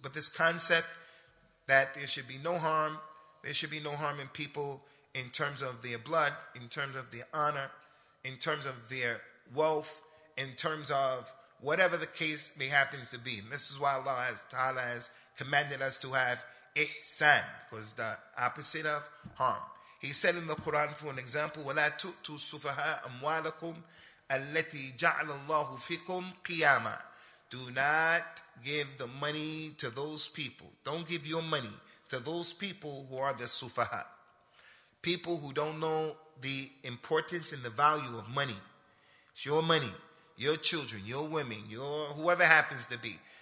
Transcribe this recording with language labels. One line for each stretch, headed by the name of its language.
English: But this concept that there should be no harm in people in terms of their blood, in terms of their honor, in terms of their wealth, in terms of whatever the case may happen to be. And this is why Allah Ta'ala has commanded us to have ihsan, because the opposite of harm. He said in the Quran, for an example,
Arabic: وَلَا تُؤْتُوا السُّفَهَاءَ أَمْوَالَكُمْ أَلَّتِي جَعْلَ اللَّهُ فِيكُمْ قِيَامًا.
English: Do not give the money to those people. Don't give your money to those people who are the sufaha, people who don't know the importance and the value of money. It's your money, your children, your women, your whoever happens to be.